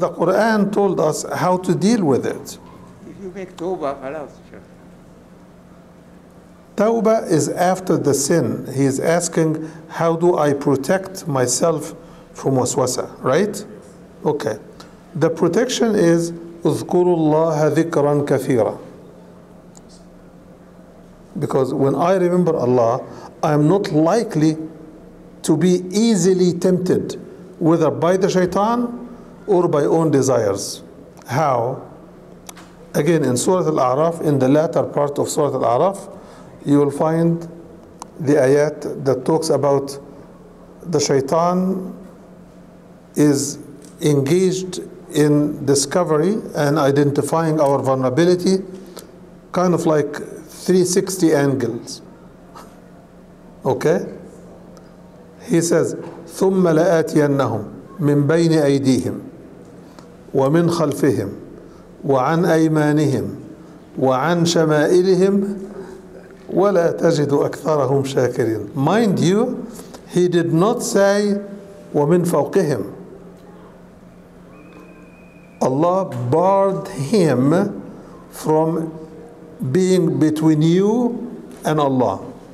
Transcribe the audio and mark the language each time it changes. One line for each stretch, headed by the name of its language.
English: the Quran told us how to deal with it. If you make tawbah, halas. Tawbah is after the sin. He is asking, how do I protect myself from waswasa, right? Okay. The protection is,
Arabic: اذكروا الله ذكرا كثيرا.
English: Because when I remember Allah, I am not likely to be easily tempted, whether by the shaitan or by own desires. How? Again, in Surah Al-A'raf, in the latter part of Surah Al-A'raf, you will find the ayat that talks about the shaitan is engaged in discovery and identifying our vulnerability, kind of like 360 angles. Okay? He says,
Arabic: ثُمَّ لَآتِيَنَّهُمْ مِنْ بَيْنِ أَيْدِيهِمْ وَمِنْ خَلْفِهِمْ وَعَنْ أَيْمَانِهِمْ وَعَنْ شَمَائِلِهِمْ وَلَا تَجِدُ أَكْثَرَهُمْ شَاكِرِينَ.
English: Mind you, He did not say,
Arabic: وَمِنْ فَوْقِهِمْ.
English: Allah barred him from being between you and Allah.